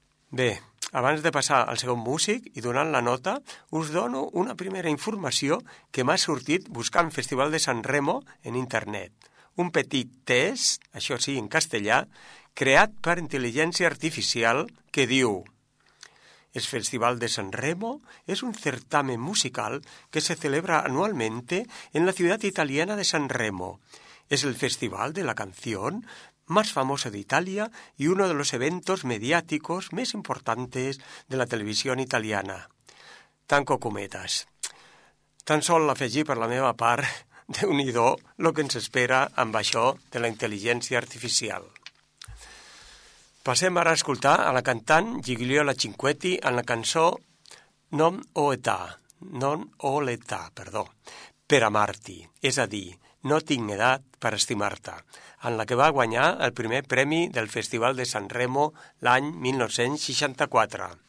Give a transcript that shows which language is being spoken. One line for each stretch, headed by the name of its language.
Catalan: Bé, abans de passar al segon músic i donant la nota, us dono una primera informació que m'ha sortit buscant Festival de San Remo en internet. Un petit test, això sí, en castellà, creat per intel·ligència artificial, que diu...
Spanish: El Festival de San Remo es un certamen musical que se celebra anualmente en la ciudad italiana de San Remo. Es el festival de la canción más famoso de Italia y uno de los eventos mediáticos más importantes de la televisión italiana.
Catalan: Tanco cometas. Tan solo l'afegir per la meva part, Déu-n'hi-do, lo que ens espera amb això de la intel·ligència artificial. Passem ara a escoltar a la cantant Gigliola Cinquetti en la cançó Non ho età, non ho l'età, perdó, per amar-ti, és a dir, no tinc edat per estimar-te, en la que va guanyar el primer premi del Festival de San Remo l'any 1964.